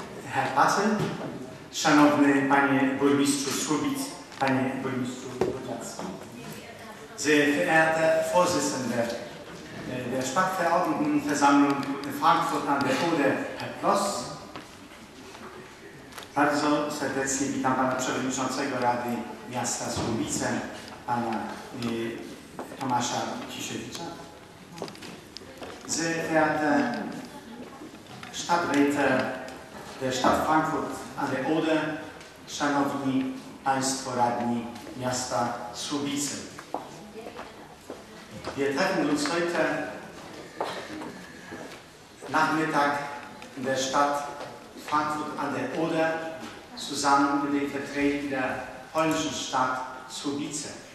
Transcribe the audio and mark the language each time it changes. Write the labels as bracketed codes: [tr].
[pl] Herr Pasen, szanowny panie burmistrzu Słubic, panie burmistrzu Potocki. [de] Sie verehrte Vorsitzende der Stadtverordnetenversammlung Frankfurt an der Oder, Herr Ploss. [pl] Bardzo serdecznie witam pana przewodniczącego Rady Miasta Słubice, pana Tomasza Kisiewicza. [de] Sie verehrte Stadträte der Stadt Frankfurt an der Oder, [pl] szanowni państwo radni miasta Słubice. [de] Wir treffen uns heute Nachmittag in der Stadt Frankfurt an der Oder zusammen mit den Vertretern der polnischen Stadt Słubice.